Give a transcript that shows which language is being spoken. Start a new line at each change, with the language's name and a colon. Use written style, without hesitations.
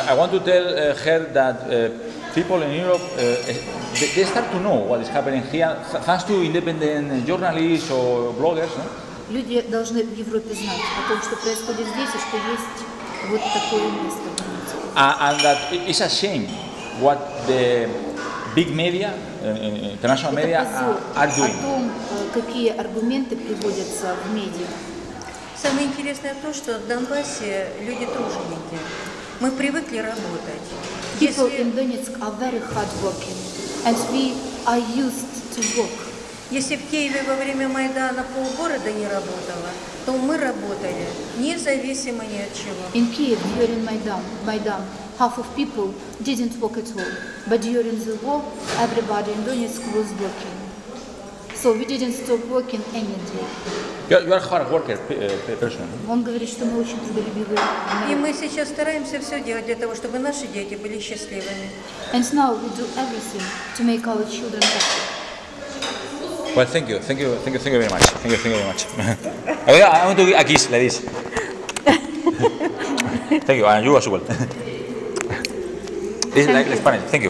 English: I want to tell her that people in Europe, they start to know what is happening here, thanks to independent journalists or bloggers. No?
Russian: Люди должны в Европе знать о том, что происходит здесь, и что есть вот такое место.
English: And that it's a shame what the big media, international media, are doing.
Russian: О том, какие аргументы приводятся в медиа. Самое интересное то, что в Донбассе люди труженики. Мы привыкли работать.
English: People in Donetsk are very hardworking, and we are used to work.
Russian: Если в Киеве во время Майдана полгорода не работало, то мы работали, независимо ни от чего.
English: In Kiev during Майдан, half of people didn't work at all, but during the war, everybody in Donetsk was working. So we didn't stop working any day. You are a hard worker person.
Russian: Он говорит, что мы очень трудолюбивые. И мы сейчас стараемся все делать для того, чтобы наши дети были счастливыми.
English: And now we do everything to make our children happy. Well, thank you very much. Thank you very much. I want to give a kiss, ladies. Thank you, and you as well. This is like Spanish. Thank you.